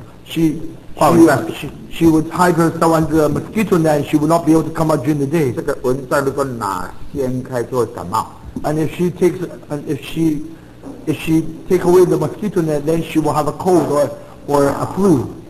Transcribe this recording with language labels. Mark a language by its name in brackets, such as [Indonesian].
[English] She would hide herself under a mosquito net and she would not be able to come out during the day. [Chinese] 这个蚊帐如果哪掀开就会感冒。 [English] And if she takes, if she take away the mosquito net, then she will have a cold or a flu.